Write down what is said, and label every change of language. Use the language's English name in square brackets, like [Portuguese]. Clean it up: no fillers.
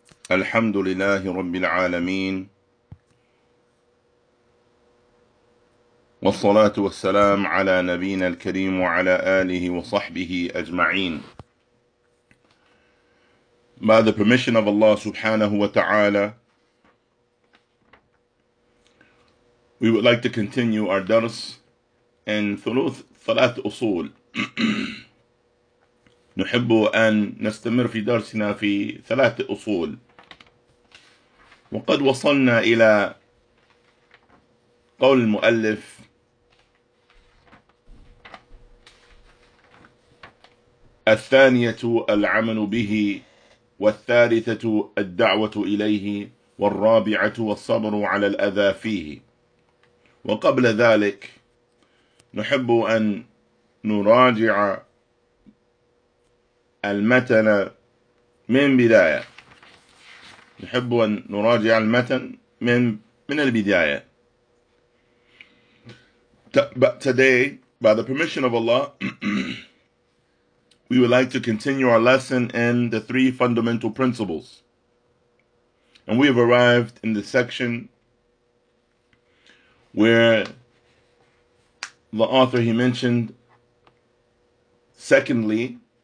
[Arabic] الحمد لله رب العالمين، والصلاة والسلام على نبينا الكريم وعلى آله وصحبه أجمعين. [English] By the permission of Allah سبحانه وتعالى, we would like to continue our درس in ثلاث أصول. [Arabic] نحب أن نستمر في درسنا في ثلاث أصول، وقد وصلنا إلى قول المؤلف الثانية العمل به، والثالثة الدعوة إليه، والرابعة والصبر على الأذى فيه. وقبل ذلك نحب أن نراجع المتن من بداية. نحب أن نراجع المتن من البداية. [English] But today, by the permission of Allah, we would like to continue our lesson in the three fundamental principles. And we have arrived in the section where the author, he mentioned, secondly,